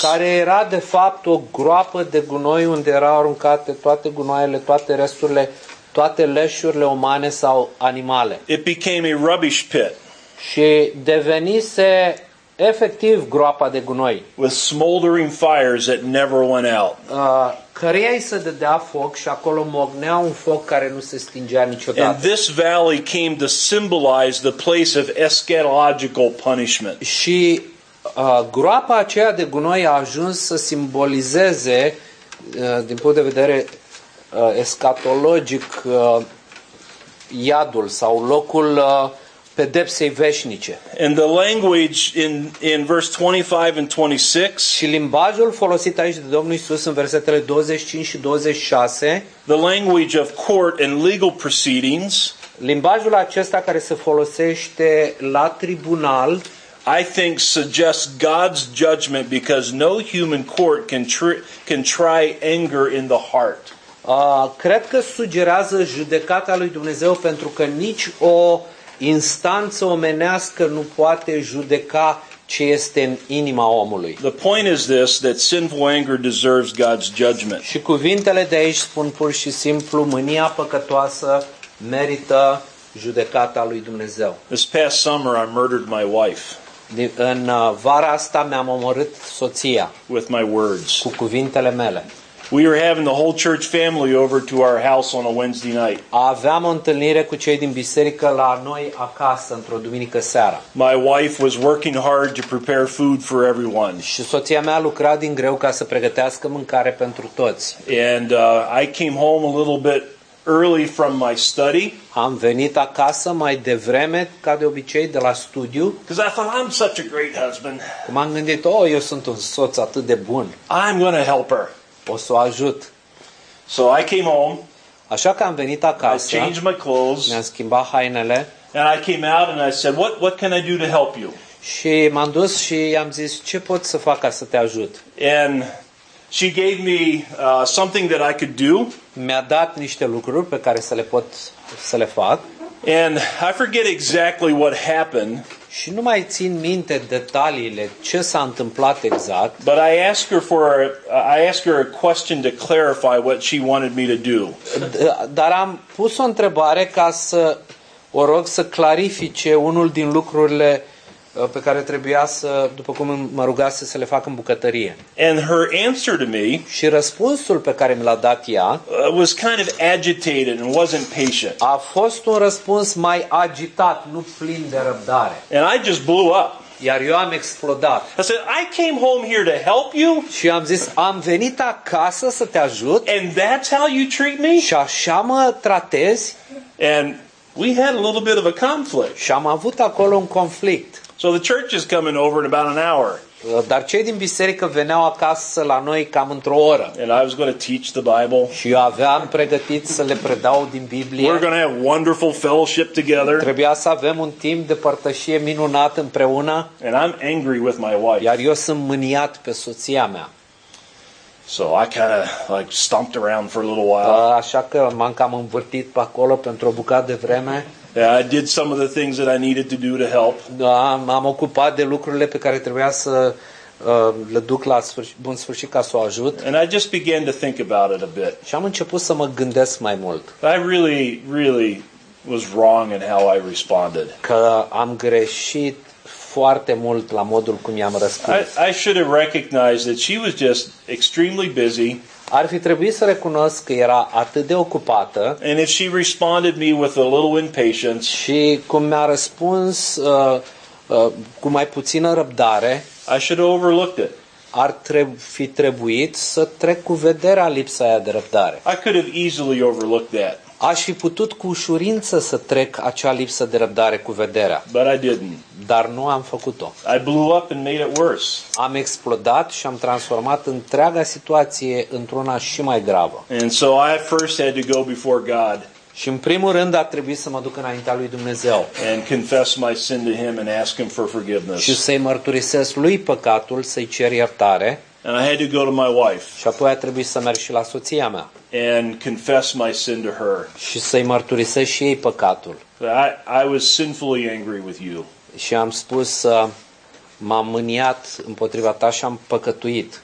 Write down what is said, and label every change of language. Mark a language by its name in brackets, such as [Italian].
[Romanian] Care era de fapt o groapă de gunoi unde erau aruncate toate gunoaiele, toate resturile, toate leșurile umane sau animale. [English] It became a rubbish pit. [Romanian] Și devenise efectiv groapa de gunoi. [English] With smoldering fires that never went out. [Romanian] Căreia îi se dădea foc și acolo mocnea un foc care nu se stingea niciodată. [English] And this valley came to symbolize the place of eschatological punishment. [Romanian] Și groapa aceea de gunoi a ajuns să simbolizeze, din punct de vedere eschatologic, iadul sau locul pedepsei veșnice. [English] And the language in verse 25 and 26. [Romanian] Și limbajul folosit aici de Domnul Iisus în versetele 25 și 26. [English] The language of court and legal proceedings. [Romanian] Limbajul acesta care se folosește la tribunal, [English] I think suggests God's judgment because no human court can try anger in the heart. [Romanian] Cred că sugerează judecata lui Dumnezeu pentru că nici o instanță omenească nu poate judeca ce este în inima omului. [English] The point is this, that sinful anger deserves God's judgment. [Romanian] Și cuvintele de aici spun pur și simplu, mânia păcătoasă merită judecata lui Dumnezeu. [English] This past summer I murdered my wife. [Romanian] În vara asta mi-am omorât soția. [English] With my words. [Romanian] Cu cuvintele mele. [English] We were having the whole church family over to our house on a Wednesday night. [Romanian] Aveam o întâlnire cu cei din biserică la noi acasă într-o duminică seara. [English] My wife was working hard to prepare food for everyone. [Romanian] Și soția mea lucra din greu ca să pregătească mâncare pentru toți. [English] And I came home a little bit early from my study. [Romanian] Am venit acasă mai devreme ca de obicei de la studiu. [English] Because I thought I'm such a great husband. [Romanian] M-am gândit, oh, eu sunt un soț atât de bun. [English] I'm going to help her. [Romanian] O să o ajut. [English] So I came home. [Romanian] Așa că am venit acasă. [English] I changed my clothes. [Romanian] Mi-am schimbat hainele. [English] And I came out and I said, what can I do to help you? [Romanian] Și m-am dus și i-am zis, ce pot să fac ca să te ajut? [English] And she gave me something that I could do. [Romanian] Mi-a dat niște lucruri pe care să le fac. [English] And I forget exactly what happened. [Romanian] Și nu mai țin minte detaliile ce s-a întâmplat exact. [English] But I asked her a question to clarify what she wanted me to do. [Romanian] Dar am pus o întrebare ca să o rog să clarifice unul din lucrurile pe care trebuia să, după cum mă rugase, să le fac în bucătărie. [English] And her answer to me, [Romanian] și răspunsul pe care mi l-a dat ea, [English] was kind of agitated and wasn't patient. [Romanian] A fost un răspuns mai agitat, nu plin de răbdare. [English] And I just blew up. [Romanian] Iar eu am explodat. [English] I said, I came home here to help you. [Romanian] Și am zis, am venit acasă să te ajut. [English] And that's how you treat me? [Romanian] Și așa mă tratezi? [English] And we had a little bit of a conflict. [Romanian] Și am avut acolo un conflict. [English] So the church is coming over in about an hour. [Romanian] Dar cei din biserică veneau acasă la noi cam într-o oră. [English] And I was going to teach the Bible. [Romanian] Și eu aveam pregătit să le predau din Biblie. [English] We're going to have wonderful fellowship together. [Romanian] Trebuia să avem un timp de părtășie minunat împreună. [English] And I'm angry with my wife. [Romanian] Iar eu sunt mâniat pe soția mea. [English] So I kind of like stomped around for a little while. [Romanian] Așa că m-am cam învârtit pe acolo pentru o bucată de vreme. [English] Yeah, I did some of the things that I needed to do to help. [Romanian] M-am ocupat de lucrurile pe care trebuia să le duc la bun sfârșit ca să o ajut. [English] And I just began to think about it a bit. [Romanian] Și am început să mă gândesc mai mult. [English] I really, really was wrong in how I responded. [Romanian] Că am greșit foarte mult la modul cum i-am răspuns. [English] I should have recognized that she was just extremely busy. [Romanian] Ar fi trebuit să recunosc că era atât de ocupată. [English] And if she responded me with a little impatience, [Romanian] și cum mi-a răspuns cu mai puțină răbdare, [English] I should have overlooked it. [Romanian] Ar fi trebuit să trec cu vederea lipsa aia de răbdare. [English] I could have easily overlooked that. [Romanian] Aș fi putut cu ușurință să trec acea lipsă de răbdare cu vederea. [English] But I didn't. [Romanian] Dar nu am făcut-o. [English] I blew up and made it worse. [Romanian] Am explodat și am transformat întreaga situație într-una și mai gravă. [English] And so I first had to go before God. [Romanian] Și în primul rând a trebuit să mă duc înaintea lui Dumnezeu. [English] And confess my sin to him and ask him for forgiveness. [Romanian] Și să-i mărturisesc lui păcatul, să-i cer iertare. [English] And I had to go to my wife. [Romanian] Și apoi a trebuit să merg și la soția mea. [English] And confess my sin to her. [Romanian] Și să-i mărturisesc și ei păcatul. [English] I was sinfully angry with you. [Romanian] Și am spus m-am mâniat împotriva ta și am păcătuit.